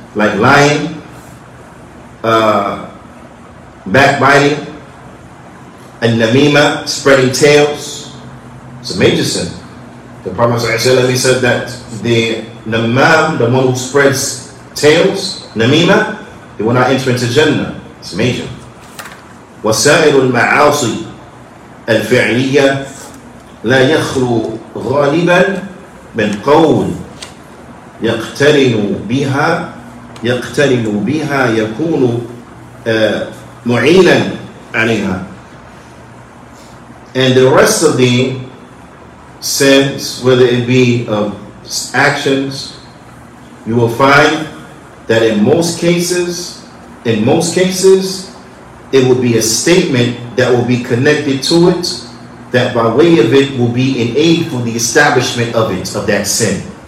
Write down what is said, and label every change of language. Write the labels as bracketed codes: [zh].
[en] Like lying, backbiting, and namima, spreading tales. It's a major sin. The Prophet ﷺ, he said that the namam, the one who spreads tales, namima, he will not enter into Jannah. It's major. [ar] وسائر المعاصي الفعلية لا يخلو غالبا من قول يقترن بها يكون معينا عليها. [en] And the rest of the sins, whether it be of actions, you will find that in most cases, it will be a statement that will be connected to it, that by way of it will be an aid for the establishment of it, of that sin.